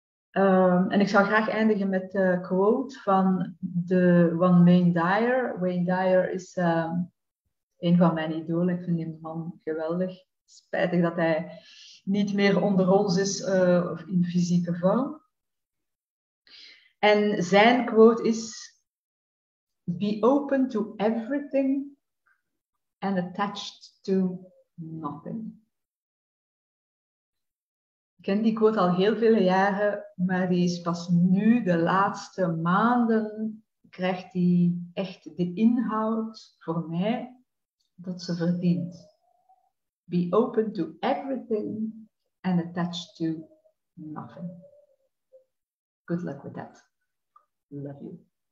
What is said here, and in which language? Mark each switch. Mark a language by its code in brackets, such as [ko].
[nl] En ik zou graag eindigen met de quote van de one Wayne Dyer. Wayne Dyer is een van mijn idolen. Ik vind die man geweldig. Spijtig dat hij niet meer onder ons is in fysieke vorm. En zijn quote is... [en] Be open to everything and attached to nothing. [nl] Ik ken die quote al heel vele jaren, maar die is pas nu, de laatste maanden, krijgt die echt de inhoud voor mij dat ze verdient. [en] Be open to everything and attached to nothing. Good luck with that. Love you.